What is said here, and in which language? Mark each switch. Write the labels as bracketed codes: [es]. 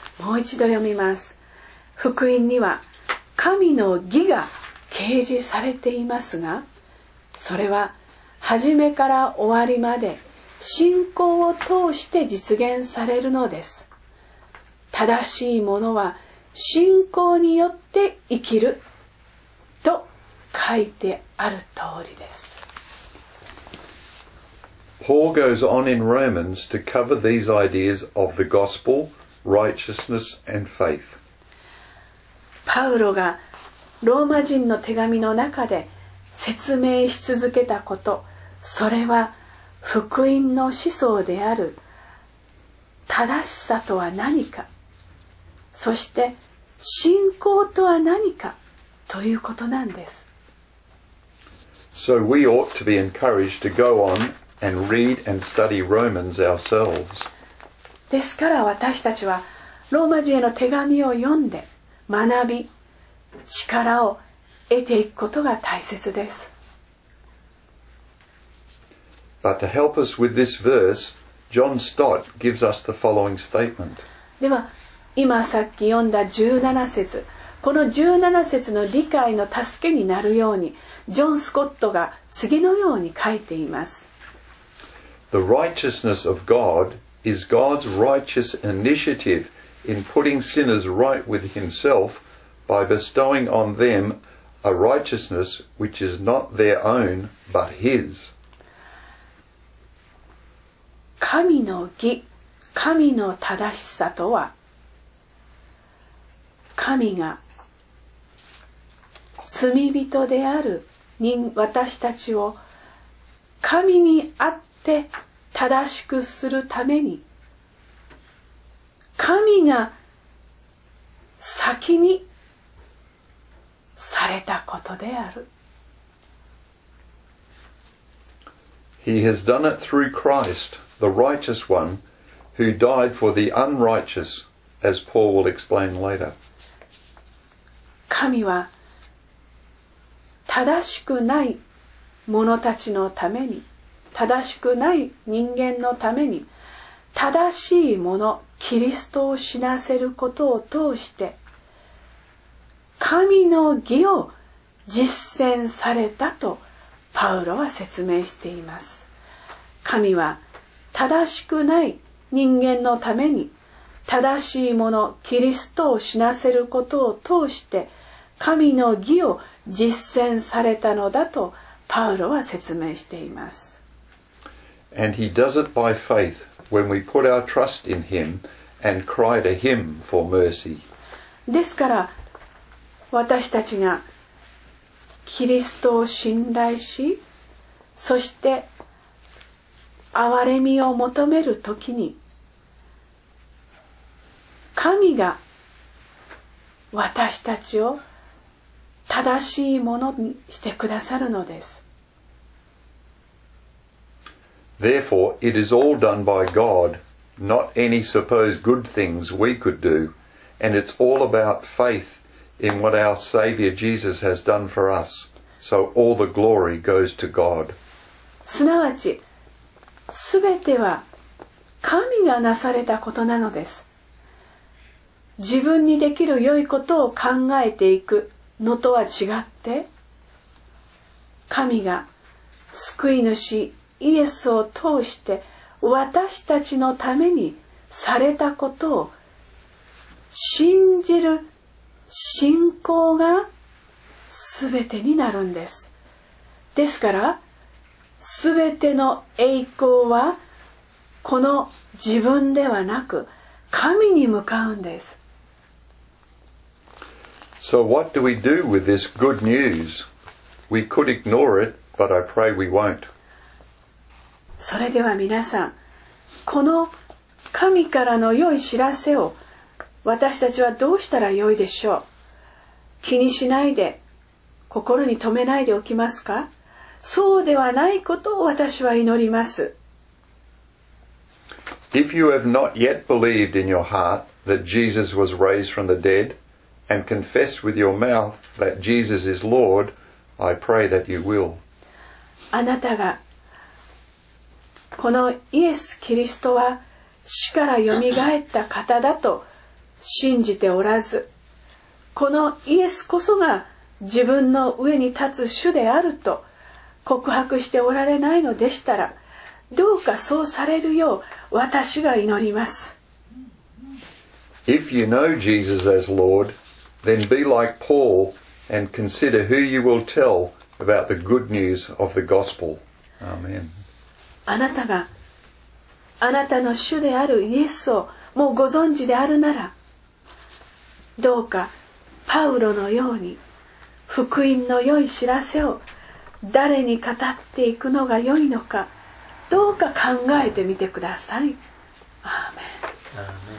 [ja] もう一度読みます。福音には神の義が掲示されていますが、それは初めから終わりまで信仰を通して実現されるのです。正しいものは信仰によって生きると書いてある通りです。 [en] Paul goes on in Romans to cover these ideas of the gospel, righteousness and faith. [ja] パウロがローマ人の手紙の中で説明し続けたこと、それは福音の思想である正しさとは何か、そして信仰とは何かということなんです。 [en] So we ought to be encouraged to go on and read and study Romans ourselves. [ja] ですから私たちはローマ人への手紙を読んで学び、力を得ていくことが大切です。 [en] But to help us with this verse, John Stott gives us the following statement. [ja] では、今さっき読んだ17節、この17節の理解の助けになるように、ジョン・スコットが次のように書いています。 [en] The righteousness of God is God's righteous initiative in putting sinners right with himself by bestowing on them a righteousness which is not their own but his. [ja] 神の義、神の正しさとは、神が罪人である人、私たちを神にあって正しくするために、神が先にされたことである。 [en] He has done it through Christ, the righteous one, who died for the unrighteous, as Paul will explain later. [ja] 神は正しくない者たちのために、正しくない人間のために、正しい者キリストを死なせることを通して、神の義を実践されたとパウロは説明しています。神は正しくない人間のために、正しい者キリストを死なせることを通して、神の義を実践されたのだとパウロは説明しています。 [en] And he does it by faith when we put our trust in him and cry to him for mercy. [ja] ですから私たちがキリストを信頼し、そして憐れみを求めるときに、神が私たちを正しいものにしてくださるのです。 [en] Therefore, it is all done by God, not any supposed good things we could do, and it's all about faith in what our Savior Jesus has done for us. So all the glory goes to God. [ja] すなわち、すべては神がなされたことなのです。自分にできる良いことを考えていくのとは違って、神が救い主イエスを通して私たちのためにされたことを信じる信仰がすべてになるんです。ですから、すべての栄光はこの自分ではなく神に向かうんです。 [en] So what do we do with this good news? We could ignore it, but I pray we won't. [ja] それでは皆さん、この神からの良い知らせを私たちはどうしたら良いでしょう？気にしないで、心に留めないでおきますか？そうではないことを私は祈ります。 [en] If you have not yet believed in your heart that Jesus was raised from the dead, and confess with your mouth that Jesus is Lord, I pray that you will. [ja] あなたがこのイエス・キリストは死からよみがえった方だと信じておらず、このイエスこそが自分の上に立つ主であると告白しておられないのでしたら、どうかそうされるよう私が祈ります。 [en] If you know Jesus as Lord, then be like Paul and consider who you will tell about the good news of the gospel. Amen. [ja] あなたがあなたの主であるイエスをもうご存知であるなら、どうかパウロのように福音の良い知らせを誰に語っていくのが良いのか、どうか考えてみてください。アーメン。